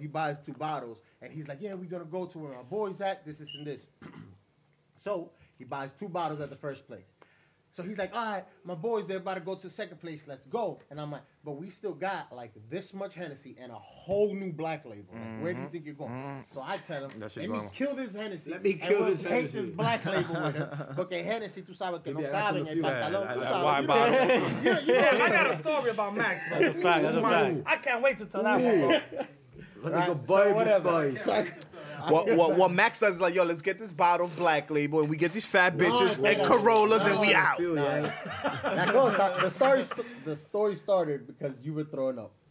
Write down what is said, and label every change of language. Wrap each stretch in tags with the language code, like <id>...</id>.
<en>He buys two bottles, and he's like, yeah, we're going to go to where my boy's at, this, this, and this. So, he buys two bottles at the first place. So he's like, all right, my boys, they're about to go to the second place. Let's go. And I'm like, but we still got like this much Hennessy and a whole new Black Label. Like, mm-hmm. Where do you think you're going? Mm-hmm. So I tell him, let me kill this Hennessy. Black Label with us.</en> <es>Okay, Hennessy, tú sabes que no caben en el pantalón. Tú sabes.</es> <en>Why buy it? I got a story about Max, bro. That's a fact. I can't wait to tell that one, bro. Like a Barbie voice. What Max does is like, yo, let's get this bottle of Black Label and we get these fat bitches and Corollas and we out. The story started because you were throwing up.</en>